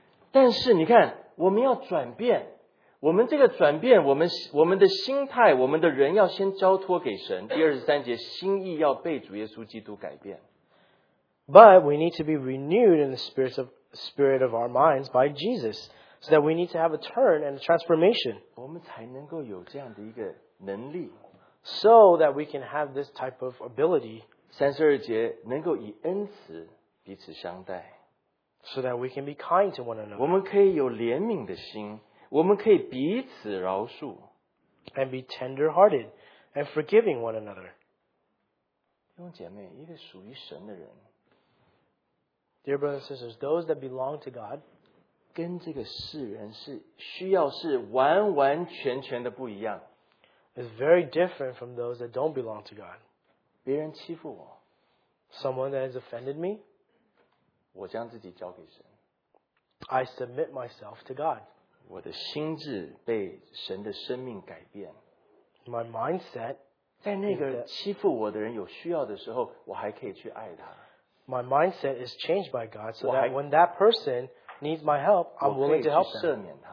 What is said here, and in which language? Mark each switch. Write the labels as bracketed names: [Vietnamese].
[Chinese] 但是你看，我们要转变，我们这个转变，我们的心态，我们的人要先交托给神。第二十三节，心意要被主耶稣基督改变。 [English] But we need to be renewed in the spirit of our minds by Jesus, so that we need to have a turn and a transformation. [Chinese] 我们才能够有这样的一个能力。 [English] So that we can have this type of ability. [Chinese] 三十二节，能够以恩慈彼此相待。 [English] So that we can be kind to one another. [Chinese] 我们可以有怜悯的心，我们可以彼此饶恕。 [English] And be tender-hearted and forgiving one another. [Chinese] 弟兄姐妹，一个属于神的人。 [English] Dear brothers and sisters, those that belong to God, [Chinese] 跟这个世人是需要是完完全全的不一样。 [English] It's very different from those that don't belong to God. [Chinese] 别人欺负我。 [English] Someone that has offended me. [Chinese] 我将自己交给神。 [English] I submit myself to God. [Chinese] 我的心智被神的生命改变。 [English] My mindset. [Chinese] 在那个欺负我的人有需要的时候，我还可以去爱他。 [English] My mindset is changed by God so that when that person needs my help, I'm willing to help them.